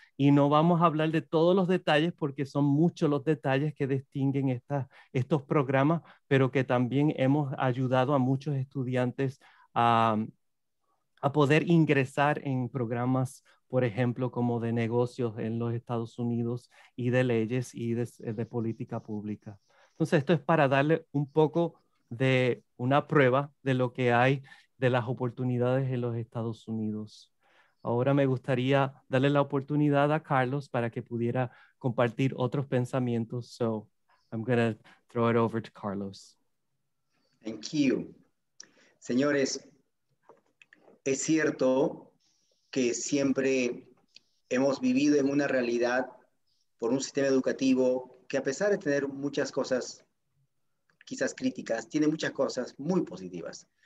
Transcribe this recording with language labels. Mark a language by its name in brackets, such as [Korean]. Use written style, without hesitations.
[Spanish] Y no vamos a hablar de todos los detalles porque son muchos los detalles que distinguen estos programas, pero que también hemos ayudado a muchos estudiantes a poder ingresar en programas, por ejemplo, como de negocios en los Estados Unidos y de leyes y de política pública. Entonces, esto es para darle un poco de una prueba de lo que hay de las oportunidades en los Estados Unidos. Ahora me gustaría darle la oportunidad a Carlos para que pudiera compartir otros pensamientos. [English] So I'm going to throw it over to Carlos. Thank you. [Spanish] Señores, es cierto que siempre hemos vivido en una realidad por un sistema educativo que, a pesar de tener muchas cosas quizás críticas, tiene muchas cosas muy positivas.